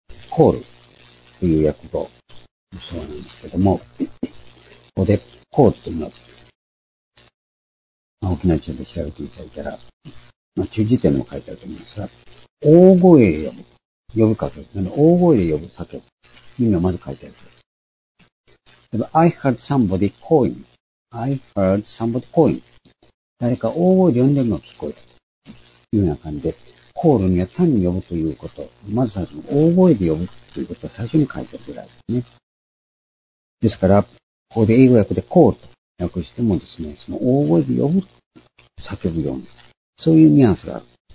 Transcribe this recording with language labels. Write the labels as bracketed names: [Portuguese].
[Japanese] コールという訳語もそうなんですけども、ここでコールというのは、沖縄中で調べていただいたら、中辞典も書いてあると思いますが、大声で呼ぶ。呼ぶかけ。大声で呼ぶ叫ぶ。意味をまず書いてあると。 [English] I heard somebody calling. I heard somebody calling. [Japanese] 誰か大声で呼んでるのが聞こえた。というような感じで、コールには単に呼ぶということ、まず最初に大声で呼ぶということを最初に書いてあるぐらいですね。ですから、ここで英語訳でコールと訳してもですね、その大声で呼ぶ、叫ぶように、そういうニュアンスがある。